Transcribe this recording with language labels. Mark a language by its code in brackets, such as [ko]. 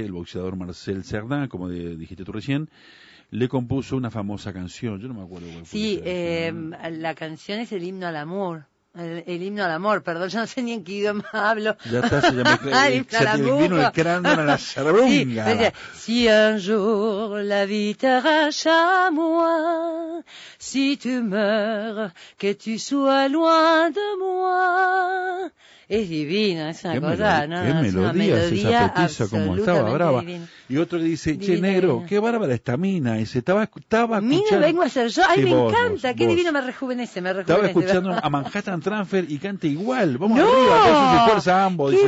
[es] El boxeador Marcel Cerdán, como dijiste tú recién, le compuso una famosa canción. Yo no me acuerdo cuál fue. Sí, la canción es el himno al amor. El himno al amor, perdón, yo no sé ni en qué idioma hablo. Ya está, se llama vino el crano a la charrunga. [fr] Sí, si un jour la vie t'arrache à moi, si tu meurs, que tu sois loin de moi. [es] Es divino, es una Qué melodía, es una melodía esa petiza, como estaba brava. Divino. Y otro que dice, divino, che, negro, divino. Qué bárbara esta mina. Ese estaba escuchando... Mina, vengo a ser yo. Ay, sí, me encanta, qué divino, me rejuvenece. Estaba escuchando a Manhattan Transfer y canta igual. Vamos no, arriba, que eso se esfuerza a ambos, qué dice